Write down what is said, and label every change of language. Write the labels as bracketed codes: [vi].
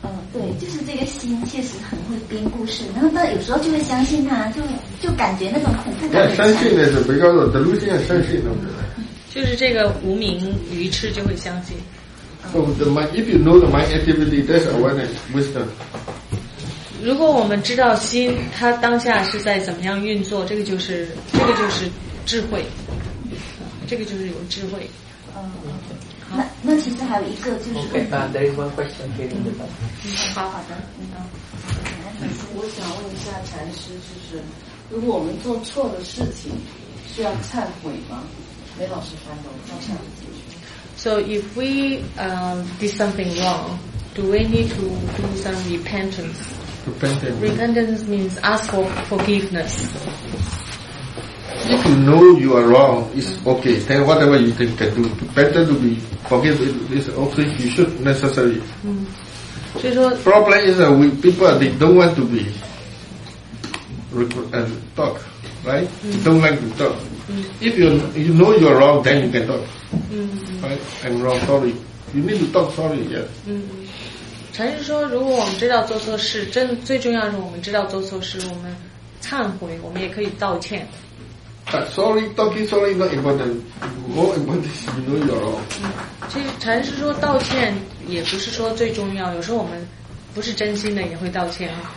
[zh] 对，就是这个心确实很会编故事，然后到有时候就会相信他，就感觉那种恐怖感。相信那是没叫做的路线，相信的。就是这个无名愚痴就会相信。 [en] So the mind, if you know the mind activity, that's awareness, wisdom. [zh] 如果我们知道心它当下是在怎么样运作，这个就是智慧，这个就是有智慧。那其实还有一个就是 [en] OK, but there is one question here in the back. 好的、 [zh] 我想问一下禅师，就是如果我们做错的事情需要忏悔吗？没老师翻译，我想 [en] So if we、did something wrong, do we need to do some repentanceRepentance means ask for forgiveness. If you know you are wrong, it's okay. Then whatever you think can do, better to be forgiven. It's okay. You should necessary. Problem is that we people they don't want to be talk, right? Don't like to talk. If you know you are wrong, then you can talk. Right? I'm wrong. Sorry. You need to talk. Sorry. Yes. [zh] 禅师说，如果我们知道做错事，真最重要的是我们知道做错事，我们忏悔，我们也可以道歉。 [en] Sorry, talking sorry not important. More important is you know you're wrong. [zh] 其实禅师说，道歉也不是说最重要，有时候我们不是真心的也会道歉。